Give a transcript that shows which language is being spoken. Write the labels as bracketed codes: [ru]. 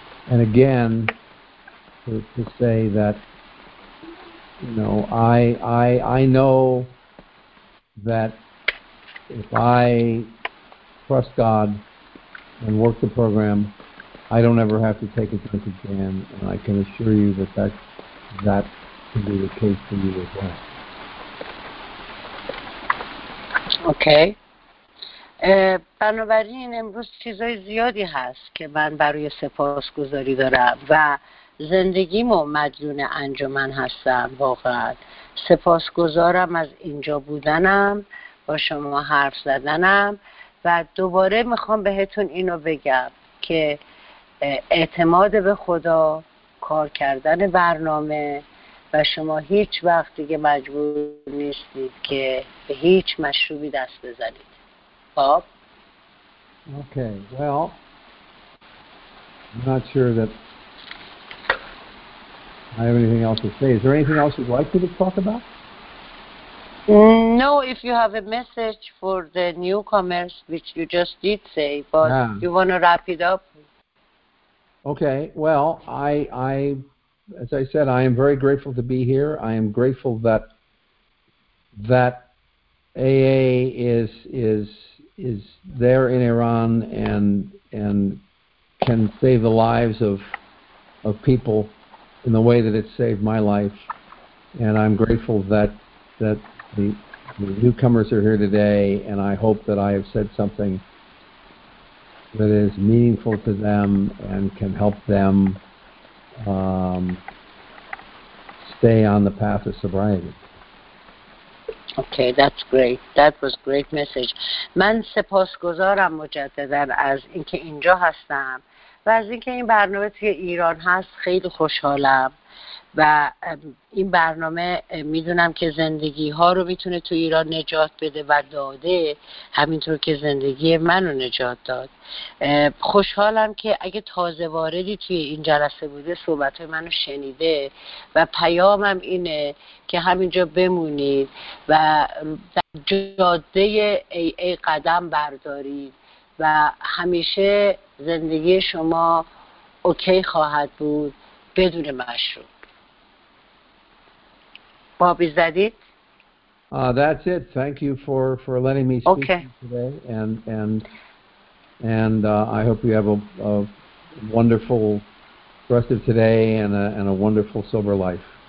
[en] And again, to say that, you know, I know that if I trust God and work the program, I don't ever have to take a drink again, and I can assure you that can be the case for you as well. Okay. [fa] بنابراین امروز چیزای زیادی هست که من برای سپاسگزاری دارم و زندگیمو مدیون انجمن هستم. واقعا سپاسگزارم از اینجا بودنم، با شما حرف زدنم، و دوباره میخوام بهتون اینو بگم که اعتماد به خدا، کار کردن برنامه، و شما هیچ وقت دیگه مجبور نیستید که به هیچ مشروبی دست بزنید. [en] Okay, well, I'm not sure that I have anything else to say. Is there anything else you'd like me to talk about? No, if you have a message for the newcomers, which you just did say, but you want to wrap it up? Okay, well, I, as I said, I am very grateful to be here. I am grateful that AA is there in Iran and can save the lives of people in the way that it saved my life, and I'm grateful that the newcomers are here today, and I hope that I have said something that is meaningful to them and can help them stay on the path of sobriety. Okay, that's great. That was a great message. [fa] من سپاسگزارم مجدداً از اینکه اینجا هستم و از اینکه این برنامه توی ایران هست. خیلی خوشحالم و این برنامه میدونم که زندگی ها رو میتونه توی ایران نجات بده و داده، همینطور که زندگی منو نجات داد. خوشحالم که اگه تازه واردی توی این جلسه بوده صحبت های منو شنیده و پیامم اینه که همینجا بمونید و در جاده ای قدم بردارید و همیشه زندگی شما اوکی خواهد بود بدون مشروب. [en] That's it. Thank you for letting me speak today, and I hope you have a wonderful rest of today and a wonderful sober life.